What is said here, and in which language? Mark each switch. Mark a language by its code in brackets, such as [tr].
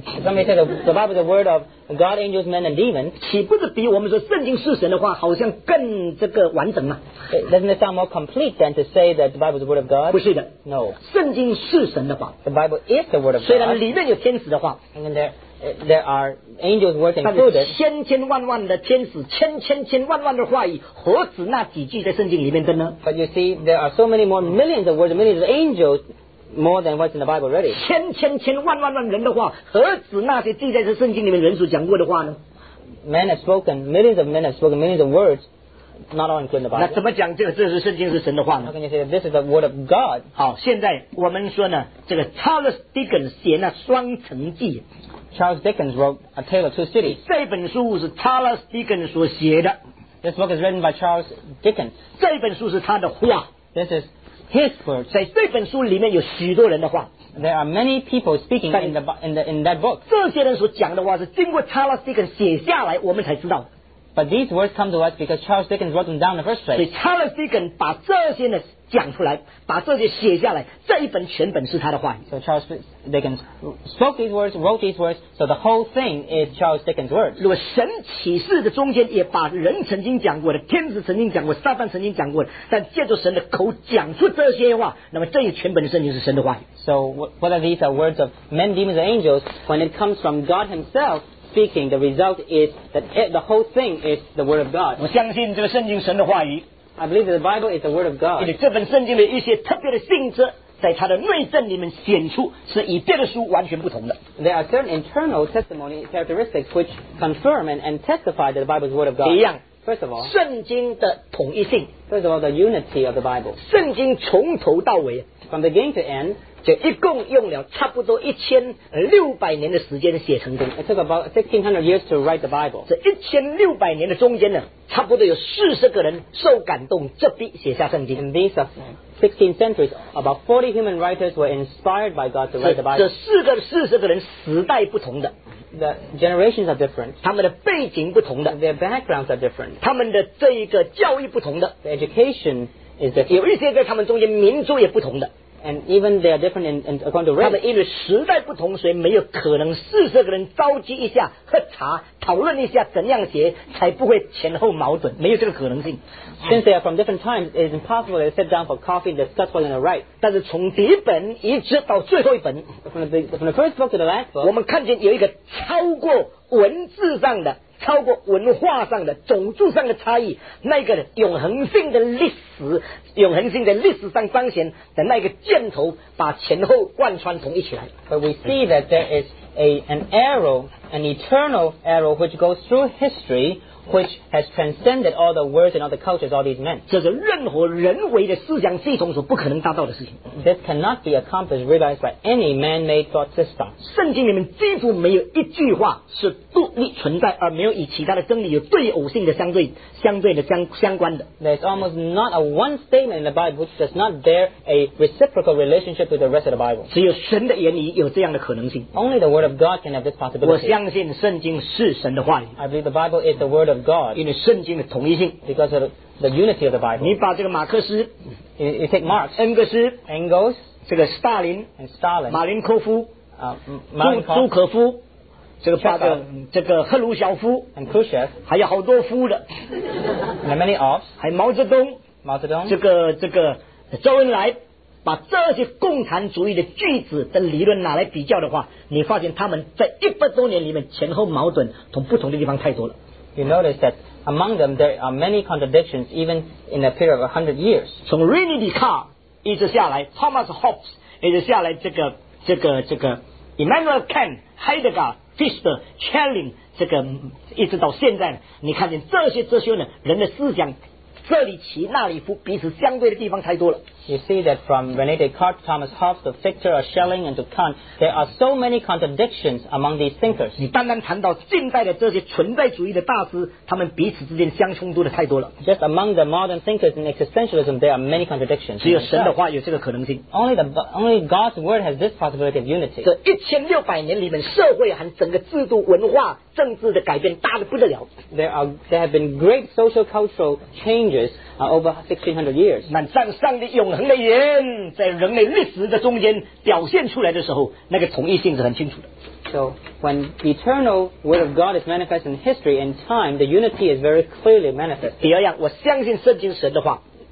[en] Somebody said the Bible is the word of God, angels, men, and demons. [zh] 岂不是比我们说圣经是神的话，好像更这个完整吗？ [en] Doesn't it sound more complete than to say that the Bible is the word of God? [zh] 不是的。 [en] No. [zh] 圣经是神的话。 [en] The Bible is the word of God. [zh] 虽然里面有天使的话。 [en] And there are angels working through it. [zh] 但是千千万万的天使，千千千万万的话语，何止那几句在圣经里面的呢？ [en] But you see, there are so many more millions of words, millions of angels. More than what's in the Bible already. [zh] 千千千万万万人的话，何止那些记载在圣经里面人所讲过的话呢？ [en] Men have spoken, millions of men have spoken millions of words, not all including the Bible. [zh] 那怎么讲这是圣经是神的话呢？ [en] How can you say that this is the word of God? [zh] 好，现在我们说呢，这个 Charles Dickens 写那双城记。 [en] Charles Dickens wrote A Tale of Two Cities. [zh] 这本书是 Charles Dickens 所写的。 [en] This book is written by Charles Dickens. [zh] 这本书是他的话。 [en] This is. His words. [zh] 在这本书里面有许多人的话。 [en] There are many people speaking in that book. [zh] 这些人所讲的话是经过 Charles Dickens 写下来，我们才知道。 [en] But these words come to us because Charles Dickens wrote them down in the first place. [zh] 所以 Charles Dickens 把这些呢讲出来，把这些写下来，这一本全本是他的话。 [en] So Charles Dickens spoke these words, wrote these words. So the whole thing is Charles Dickens' words. [zh] 如果神启示的中间也把人曾经讲过的，天使曾经讲过，撒旦曾经讲过的，但借助神的口讲出这些话，那么这一全本的圣经是神的话。 [en] So what are these are words of men, demons, and angels? When it comes from God Himself. Speaking, the result is that the whole thing is the word of God. [zh] 我相信这个圣经神的话语。 [en] I believe that the Bible is the word of God. [zh] 因为这本圣经的一些特别的性质，在它的内证里面显出是与别的书完全不同的。 [en] There are certain internal testimony characteristics which confirm and testify that the Bible is the word of God. [zh] 一样。 [en] First of all, [zh] 圣经的统一性。 [en] First of all, the unity of the Bible. [zh] 圣经从头到尾。 [en] From beginning to end. [zh] 就一共用了差不多1600年的时间写成功。 [en] It took about 1600 years to write the Bible. [zh] 这1600年的中间呢，差不多有40个人受感动，这笔写下圣经。 [en] In these 16 centuries, about 40 human writers were inspired by God to write the Bible. [zh] 这四十个人时代不同的。 [en] The generations are different. [zh] 他们的背景不同的。 [en] Their backgrounds are different. [zh] 他们的这一个教育不同的。 [en] The education is different. [zh] 有一些在他们中间民族也不同的。 [en] And even they are different in according to race. [zh] 他们因为时代不同，所以没有可能40个人召集一下喝茶讨论一下怎样写，才不会前后矛盾，没有这个可能性。 [en] Since they are from different times, it is impossible to sit down for coffee and discuss what they are right. [zh] 但是从第一本一直到最后一本 [en] from the first book to the last book, [zh] 我们看见有一个超过文字上的、超过文化上的、种族上的差异，那个永恒性的历史。永恒性在历史上彰显的那个箭头，把前后贯穿统一起来。 [en] But we see that there is an arrow, an eternal arrow, which goes through history, which has transcended all the words and all the cultures, all these men. [zh] 这是任何人为的思想系统所不可能达到的事情。 [en] This cannot be accomplished, realized by any man-made thought system. [zh] 圣经里面几乎没有一句话是独立存在而没有与其他的真理有对偶性的相关的。 [en] There's almost not a one statement in the Bible which does not bear a reciprocal relationship with the rest of the Bible. [zh] 只有神的言语有这样的可能性。 [en] Only the word of God can have this possibility. [zh] 我相信圣经是神的话语。 [en] I believe the Bible is the word of of God. [zh] 因为圣经的统一性。 [en] Because of the unity of the Bible. [zh] 你把这个马克思 [en] you take Marx, [zh] Engels, 这个斯大林 [en] and Stalin, [zh] 马林科夫 [en] Malenkov, [zh] 朱可夫这个把这个赫鲁晓夫 [en] and Khrushchev, [zh] 还有好多夫的 [en] and many ofs, [zh] 还有毛泽东毛泽东这个周恩来把这些共产主义的句子的理论拿来比较的话你发现他们在一百多年里面前后矛盾从不同的地方太多了 [en] You notice that among them there are many contradictions even in a period of 100 years [zh] 从 René Descartes 一直下来 Thomas Hobbes 一直下来这个 Immanuel Kant Heidegger Fichte Schelling 这个一直到现在你看见这些哲学呢人的思想这里起那里伏彼此相对的地方太多了 [en] You see that from René Descartes, Thomas Hobbes, to Fichte, or Schelling, and to Kant, there are so many contradictions among these thinkers. [zh] 你单单谈到近代的这些存在主义的大师他们彼此之间相冲突的太多了 [en] Just among the modern thinkers in existentialism, there are many contradictions. [zh] 只有神的话有这个可能性 [en] Only God's word has this possibility of unity. [zh] 这1600年里面社会和整个制度文化政治的改变大得不得了 [en] there have been great social cultural changes over 1600 years [zh] 那上上帝永恒的言在人类历史的中间表现出来的时候那个统一性是很清楚的 [en] so when the eternal word of God is manifest in history and time the unity is very clearly manifest [zh] 第二样我相信圣经神的话